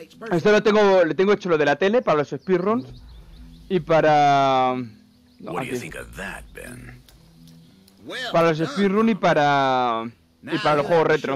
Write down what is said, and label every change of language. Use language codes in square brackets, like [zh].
[es] Esto lo tengo, le tengo hecho lo de la tele para los speedruns y para... [en] No, what do you think of that, Ben? [es] Well, para los speedrun y para los juegos retro.